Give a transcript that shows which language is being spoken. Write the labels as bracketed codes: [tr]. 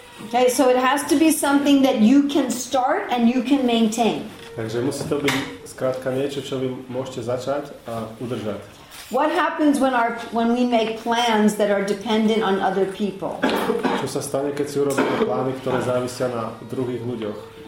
[en] Okay, so it has to be something that you can start and you can maintain. [sk] Takže musí to byť skrátka niečo, čo vy môžete začať a udržať. [en] What happens when we make plans that are dependent on other people? [sk] Čo sa stane, keď si urobíme plány, ktoré závisia na druhých ľuďoch?